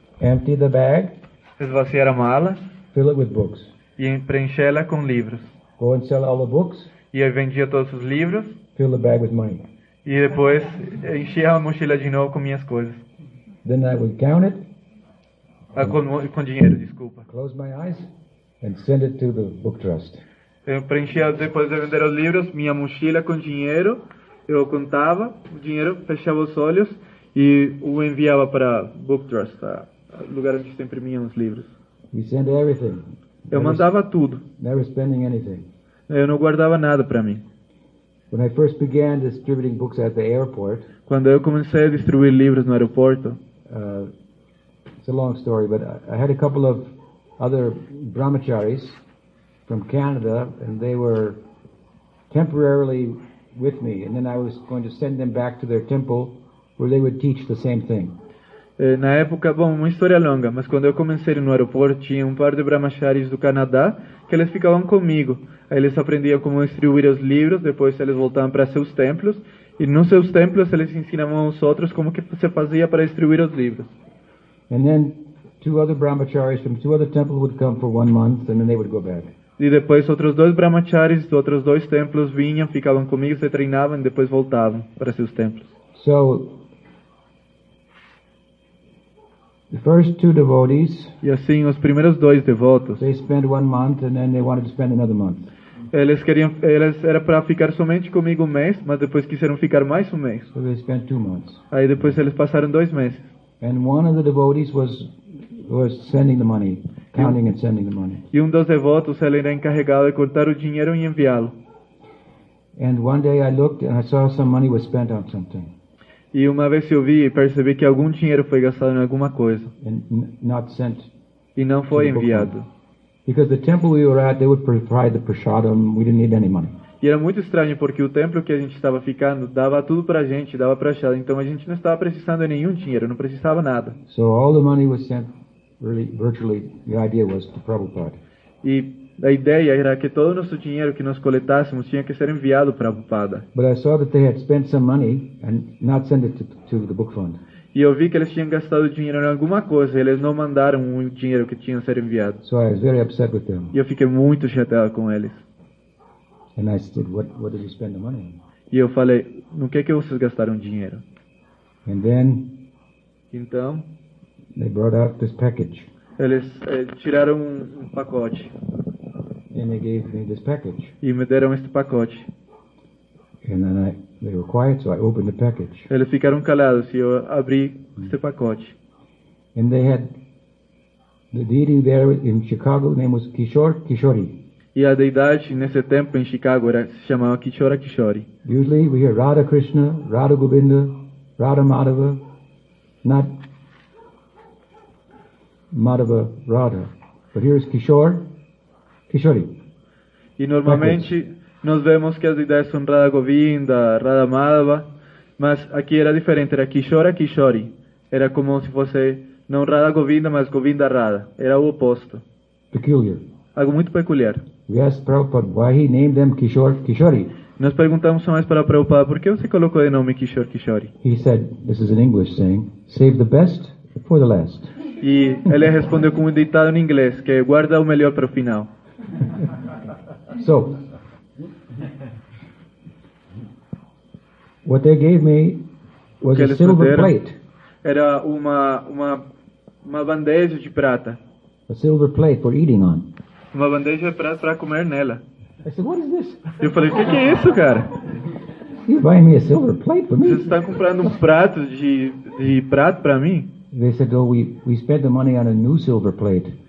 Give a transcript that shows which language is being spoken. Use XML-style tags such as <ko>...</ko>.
<en>Empty the bag.</en> <pt>Esvaziar a mala.</pt> <en>Fill it with books.</en> <pt>E preenchê-la com livros.</pt> <en>Go and sell all the books.</en> <pt>E eu vendia todos os livros.</pt> <en>Fill the bag with money.</en> <pt>E depois enchia a mochila de novo com minhas coisas.</pt> <en>Then I would count it.</en> <pt>Ah, com dinheiro, desculpa.</pt> <en>Close my eyes and send it to the book trust.</en> <pt>Eu preenchia depois de vender os livros, minha mochila com dinheiro, eu contava o dinheiro, fechava os olhos e o enviava para book trust, o lugar onde sempre imprimiam os livros.</pt> <en>We send everything.</en> <pt>Eu mandava tudo.</pt> <en>Never spending anything.</en> <pt>Eu não guardava nada para mim.</pt> <en>When I first began distributing books at the airport,</en> <pt>quando eu comecei a distribuir livros no aeroporto,</pt> <en>it's a long story, but I had a couple of other brahmacharis from Canada, and they were temporarily with me, and then I was going to send them back to their temple, where they would teach the same thing.</en> <pt>Na época, bom, uma história longa, mas quando eu comecei no aeroporto, tinha um par de brahmacharis do Canadá, que eles ficavam comigo. Aí eles aprendiam como distribuir os livros, depois eles voltavam para seus templos, e nos seus templos eles ensinavam aos outros como que se fazia para distribuir os livros.</pt> <en>And then two other brahmacharis from two other temples would come for 1 month, and then they would go back.</en> <pt>E depois outros dois brahmacharis dos outros dois templos vinham, ficavam comigo, se treinavam e depois voltavam para seus templos.</pt> <en>So, the first two devotees,</en> <pt>e assim, os primeiros dois devotos,</pt> <en>they spent 1 month and then they wanted to spend another month.</en> <pt>Eles queriam, eles era para ficar somente comigo 1 mês, mas depois quiseram ficar mais 1 mês.</pt> <en>So they spent 2 months.</en> <pt>Aí depois eles passaram 2 meses.</pt> <en>And one of the devotees was sending the money, counting and sending the money.</en> <pt>E um dos devotos, ele era encarregado de contar o dinheiro e enviá-lo.</pt> <en>And one day I looked and I saw some money was spent on something.</en> <pt>E uma vez eu vi e percebi que algum dinheiro foi gastado em alguma coisa.</pt> <en>And not sent.</en> <pt>E não foi enviado.</pt> <en>Because the temple we were at, they would provide the prasadam. We didn't need any money.</en> <pt>E era muito estranho porque o templo que a gente estava ficando dava tudo para a gente, dava prasadam. Então a gente não estava precisando de nenhum dinheiro, não precisava nada.</pt> <en>So all the money was sent. Really, virtually, the idea was to Prabhupada.</en> <pt>E a ideia era que todo o nosso dinheiro que nós coletássemos tinha que ser enviado para Prabhupada.</pt> <en>But I saw that they had spent some money and not sent it to the book fund.</en> <pt>E eu vi que eles tinham gastado dinheiro em alguma coisa, e eles não mandaram o dinheiro que tinha que ser enviado.</pt> <en>So I was very upset with them.</en> <pt>E eu fiquei muito chateado com eles.</pt> <en>And I said, what did you spend the money on?</en> <pt>E eu falei, no que vocês gastaram dinheiro?</pt> <en>And then,</en> <pt>então,</pt> <en>they brought out this package.</en> <pt>Eles tiraram um pacote.</pt> <en>And they gave me this package.</en> <pt>E me deram este pacote.</pt> <en>And then they were quiet, so I opened the package.</en> <pt>Eles ficaram calados e eu abri este pacote.</pt> <en>And they had the deity there in Chicago. His name was Kishori.</en> <pt>E a deidade nesse tempo em Chicago era se chamava Kishori. Usually we hear Radha Krishna, Radha Govinda, Radha Madhava, not Madhava Radha, but here is Kishori. E normalmente nós vemos que as ideias são Radha Govinda, Radha Madhava, mas aqui era diferente, era Kishori. Era como se fosse não Radha Govinda, mas Govinda Radha. Era o oposto.</pt> <en>Peculiar.</en> <pt>Algo muito peculiar.</pt> <en>We asked Prabhupada why he named them Kishori.</en> <pt>Nós perguntamos mais para Prabhupada por que você colocou o nome Kishori.</pt> <en>He said, this is an English saying, save the best for the last.</en> <pt>E ele respondeu com um ditado em inglês, que é guarda o melhor para o final.</pt> <en>So, what they gave me was a silver plate.</en> <pt>Era uma bandeja de prata.</pt> <en>A silver plate for eating on.</en> <pt>Uma bandeja para comer nela.</pt> <en>I said, what is this?</en> <pt>Eu falei, o que é isso, cara?</pt> <en>You buy me a silver plate for me?</en> <pt>Você está comprando um prato de prato para mim?</pt> <en>They said, oh, we spent the money on a new silver plate.</en>